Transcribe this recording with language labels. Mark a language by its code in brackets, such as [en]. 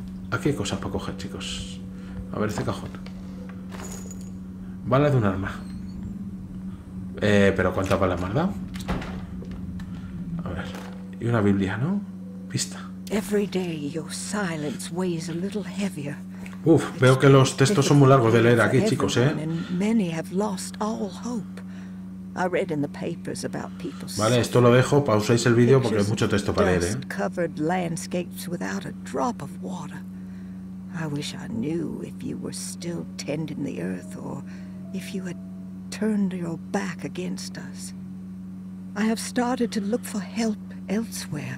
[es] Aquí hay cosas para coger, chicos. A ver este cajón. Bala de un arma. Pero ¿cuántas balas me has dado? A ver. Y una Biblia, ¿no? Pista. [en] Every day your silence weighs a little heavier. [es] Uf, veo que los textos son muy largos de leer aquí, chicos, ¿eh? [en] And many have lost all hope. I read in the papers about people. [es] Vale, esto lo dejo, pausáis el vídeo porque hay mucho texto para leer, ¿eh? [en] Covered landscapes without a drop of water. I wish I knew if you were still tending the earth or if you had turned your back against us. I have started to look for help elsewhere.